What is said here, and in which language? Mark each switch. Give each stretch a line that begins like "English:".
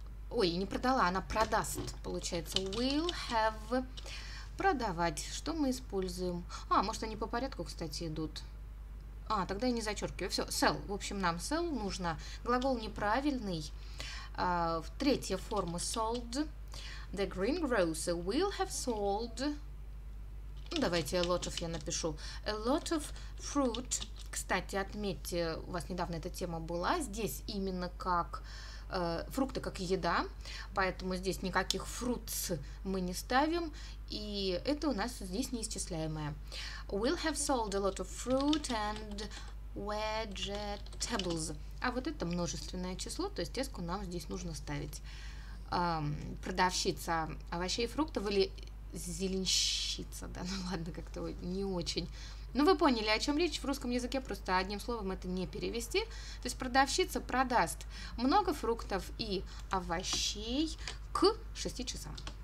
Russian: Ой, не продала, она продаст, получается. Will have... Продавать. Что мы используем? А, может, они по порядку, кстати, идут. А, тогда я не зачеркиваю. Все, sell. В общем, нам sell нужно. Глагол неправильный. Третья форма sold.
English: The greengrocer will have sold.
Russian: Давайте
English: a lot of
Russian: я напишу.
English: A lot of fruit.
Russian: Кстати, отметьте, у вас недавно эта тема была. Здесь именно как... фрукты как еда, поэтому здесь никаких fruits мы не ставим, и это у нас здесь неисчисляемое.
English: Will have sold a lot of fruit and vegetables.
Russian: А вот это множественное число, то есть теску нам здесь нужно ставить. Продавщица овощей и фруктов или зеленщица, да, ну ладно, как-то не очень. Ну вы поняли, о чем речь, в русском языке просто одним словом это не перевести. То есть продавщица продаст много фруктов и овощей к 6 часам.